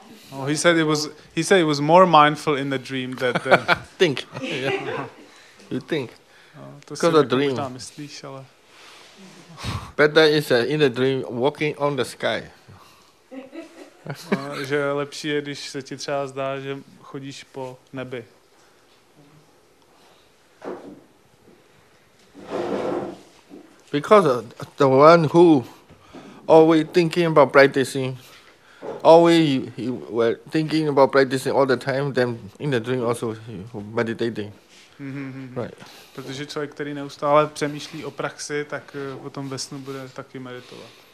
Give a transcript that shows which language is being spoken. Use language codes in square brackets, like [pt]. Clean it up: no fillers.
[en] Oh, he said it was more mindful in the dream that think. You think. Because of dream. [cs] Myslíš, ale... [en] Better is in the dream walking on the sky. [cs] Že lepší je, když se ti třeba zdá, že chodíš po nebi. [en] Because the one who always thinking about practicing. Always he were thinking about practicing all the time, then in the dream also meditating. Right. [cs] Protože člověk, který neustále přemýšlí o praxi, tak potom ve snu bude taky meditovat.